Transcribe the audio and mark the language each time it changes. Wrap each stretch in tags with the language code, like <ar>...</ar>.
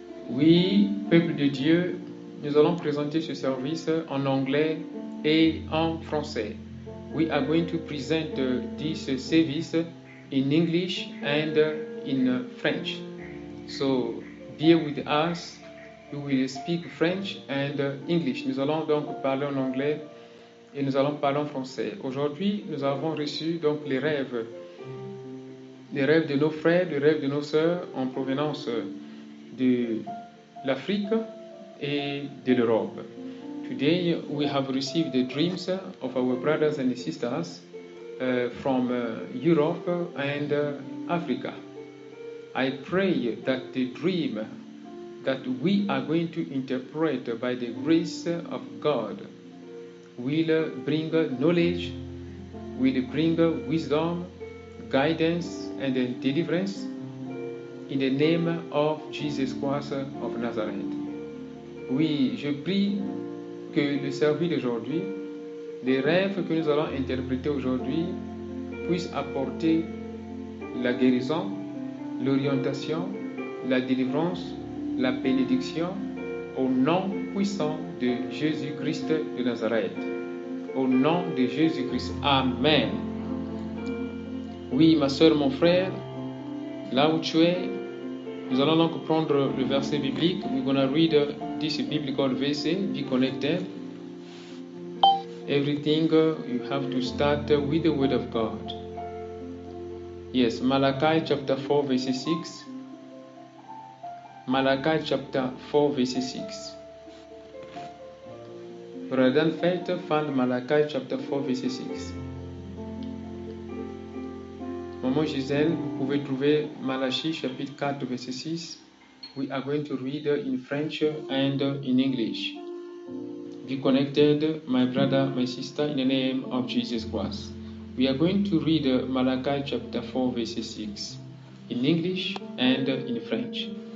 <fr>Oui, peuple de Dieu, nous allons présenter ce service en anglais et en français.</fr> <en>We are going to present this service in English and in French. So, bear with us. We will speak French and English.</en> <fr>Nous allons donc parler en anglais et nous allons parler en français. Aujourd'hui, nous avons reçu donc les rêves de nos frères, les rêves de nos sœurs en provenance de l'Afrique et de l'Europe.</fr> <en>Today, we have received the dreams of our brothers and sisters from Europe and Africa. I pray that the dream that we are going to interpret by the grace of God will bring knowledge, will bring wisdom, guidance, and deliverance in the name of Jesus Christ of Nazareth.</en> <fr>Oui, je prie que le service d'aujourd'hui, les rêves que nous allons interpréter aujourd'hui, puissent apporter la guérison, l'orientation, la délivrance, la bénédiction au nom puissant de Jésus-Christ de Nazareth. Au nom de Jésus-Christ. Amen. Oui, ma soeur, mon frère, là où tu es, nous allons donc prendre le verset biblique.</fr> <en>We're going to read this biblical verse, be connected. Everything you have to start with the word of God. Yes, Malachi chapter 4, verse 6. Malachi chapter 4, verse 6. Brethren, faith, found Malachi chapter 4, verset 6.</en> <fr>Maman Gisèle, vous pouvez trouver Malachi chapitre 4, verset 6.</fr> <en>We are going to read in French and in English. Be connected, my brother, my sister, in the name of Jesus Christ. We are going to read Malachi chapter 4, verset 6 in English and in French.</en>